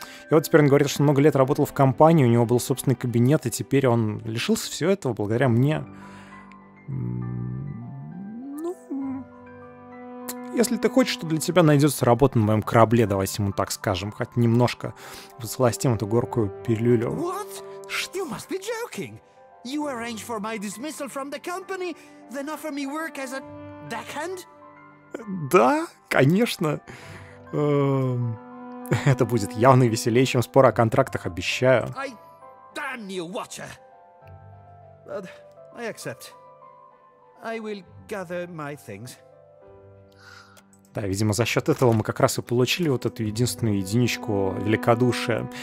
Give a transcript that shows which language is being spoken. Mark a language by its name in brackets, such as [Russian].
[Russian] И вот теперь он говорит, что много лет работал в компании, у него был собственный кабинет, и теперь он лишился всего этого благодаря мне. Ну, если ты хочешь, что для тебя найдется работа на моем корабле, давайте ему так скажем, хоть немножко посластим эту горкую пилюлю. [English] What? You must be joking. You arrange for my dismissal from the company, then offer me work as a deckhand? [Russian] Да, конечно. Это будет явно веселее, чем спор о контрактах, обещаю. [English] I damn you, Watcher. But I accept. I will gather my things. [Russian] Да, видимо, за счет этого мы как раз и получили вот эту единственную единичку великодушия.